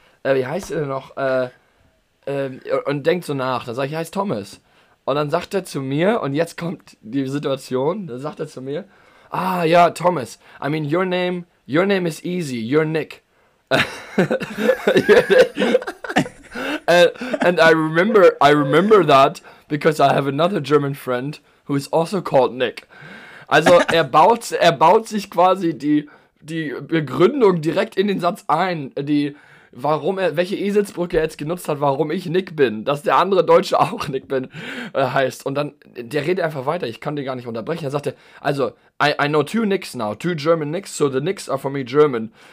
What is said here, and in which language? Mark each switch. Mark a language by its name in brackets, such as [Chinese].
[German] Wie heißt er denn noch? Und denkt so nach. Dann sage ich, er heißt Thomas. Und dann sagt er zu mir, und jetzt kommt die Situation, dann sagt er zu mir, ah ja, Thomas, [English] I mean, your name is easy, you're Nick. And I remember that because I have another German friend who is also called Nick. [German] Also er baut sich quasi die Begründung direkt in den Satz ein, welche Eselsbrücke er jetzt genutzt hat, warum ich Nick bin, dass der andere Deutsche auch Nick bin, heißt. Und dann, der redet einfach weiter, ich kann den gar nicht unterbrechen. Er sagte, also, [English] I know two Nicks now, two German Nicks, so the Nicks are for me German.